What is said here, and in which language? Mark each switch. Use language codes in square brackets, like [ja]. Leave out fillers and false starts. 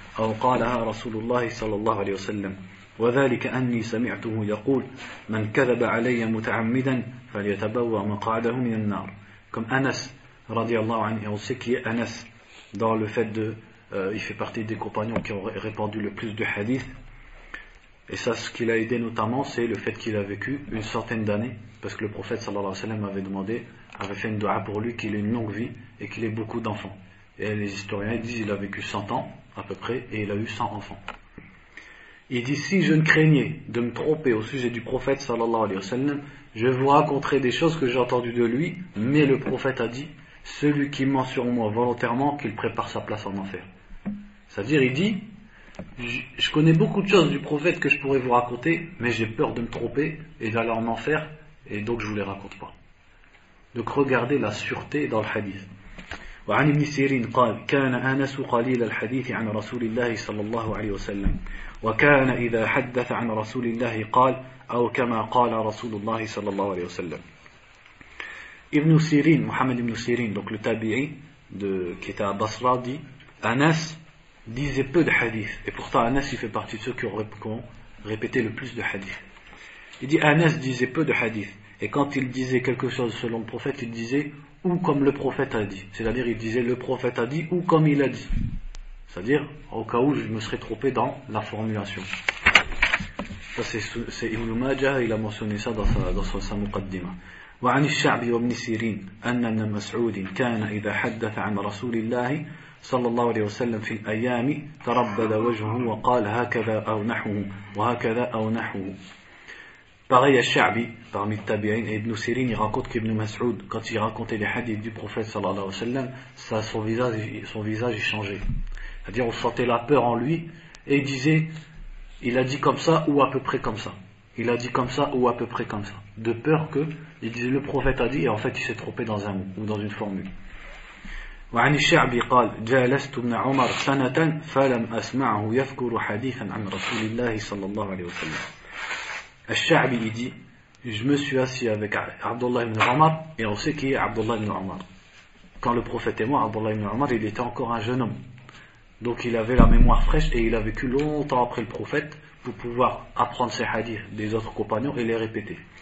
[ar] أو قالها رسول الله صلى الله عليه وسلم وذلك أني سمعته يقول من كذب علي متعمدا فليتبوأ مقعده من النار. [fr] Comme Anas [ar] رضي الله عنه, [fr] on sait qui est Anas dans le fait de il fait partie des compagnons qui ont répandu le plus de hadith, et ça ce qui l'a aidé notamment c'est le fait qu'il a vécu une centaine d'années, parce que le prophète [ar] صلى الله عليه وسلم [fr] avait fait une dua pour lui qu'il ait une longue vie et qu'il ait beaucoup d'enfants, et les historiens disent il a vécu 100 ans à peu près, et il a eu 100 enfants. Il dit, si je ne craignais de me tromper au sujet du prophète, [ar] sallallahu alayhi wa sallam, [fr] je vous raconterai des choses que j'ai entendues de lui, mais le prophète a dit, celui qui ment sur moi volontairement, qu'il prépare sa place en enfer. C'est-à-dire, il dit, je connais beaucoup de choses du prophète que je pourrais vous raconter, mais j'ai peur de me tromper et d'aller en enfer, et donc je ne vous les raconte pas. Donc regardez la sûreté dans le hadith. [ar] وعن ابن سيرين قال كان أنس قليل الحديث عن رسول الله صلى الله عليه وسلم وكان إذا حدث عن رسول الله قال أو كما قال رسول الله صلى الله عليه وسلم. [fr] ابن سيرين محمد ابن سيرين donc le tabi'i de qui était à Basra dit Anas disait peu de hadith, et pourtant Anas il fait partie de ceux qui ont répété le plus de hadith. Il dit Anas disait peu de hadith, et quand il disait quelque chose selon le prophète il disait ou comme le prophète a dit. C'est-à-dire, il disait, le prophète a dit, ou comme il a dit. C'est-à-dire, au cas où je me serais trompé dans la formulation. Ça, c'est Ibn Majah, il a mentionné ça dans sa muqaddima. [ar] وعن الشعب وابن سيرين أن ابن مسعود كان إذا حدث عن رسول الله صلى الله عليه وسلم في الأيام تربد وجهه وقال هكذا أو نحوه وهكذا أو نحوه. [fr] Pareil à Sha'bi, parmi les tabi'in, et Ibn Sirin, il raconte qu'Ibn Mas'ud, quand il racontait les hadiths du prophète, [ar] sallallahu alayhi wa sallam, [fr] son visage, il changeait. C'est-à-dire, on sentait la peur en lui, et il disait, il a dit comme ça, ou à peu près comme ça. Il a dit comme ça, ou à peu près comme ça. De peur que, il disait, le prophète a dit, et en fait, il s'est trompé dans un mot, ou dans une formule. [ar] وعن الشعبي قال جالست ابن عمر سنة فلم أسمعه يذكر حديثا عن رسول الله صلى الله عليه وسلم. [fr] الشعبي يدي je me suis assis avec Abdullah ibn Omar et on sait qui est Abdullah ibn Omar. Quand le prophète est mort, Abdullah ibn Omar il était encore un jeune homme. Donc il avait la mémoire fraîche et il a vécu longtemps après le prophète pour pouvoir apprendre ses hadiths des autres compagnons et les répéter.